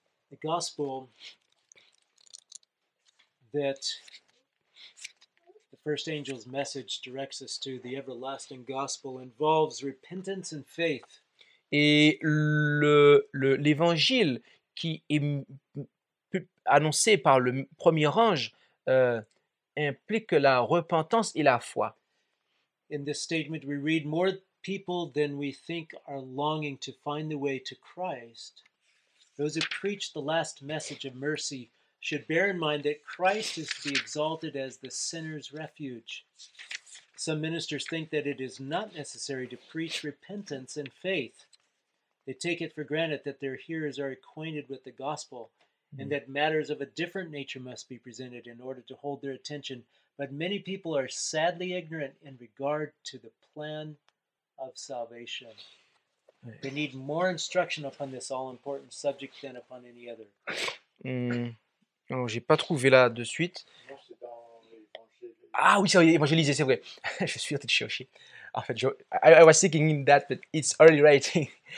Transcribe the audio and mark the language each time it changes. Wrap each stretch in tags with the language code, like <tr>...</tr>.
<en>the gospel that the first angel's message directs us to, the everlasting gospel, involves repentance and faith.</en> <fr>Et l'évangile qui est annoncé par le premier ange implique la repentance et la foi.</fr> <en>In this statement, we read more people than we think are longing to find the way to Christ. Those who preach the last message of mercy should bear in mind that Christ is to be exalted as the sinner's refuge. Some ministers think that it is not necessary to preach repentance and faith. They take it for granted that their hearers are acquainted with the gospel and that matters of a different nature must be presented in order to hold their attention. But many people are sadly ignorant in regard to the plan of salvation. They need more instruction upon this all-important subject than upon any other.</en> <fr>Alors, j'ai pas trouvé là de suite. Non, c'est dans l'évangélisé. Ah oui, c'est vrai. Je suis en train de chercher. En fait,</fr> <en>I was thinking in that, but it's early writing.</en>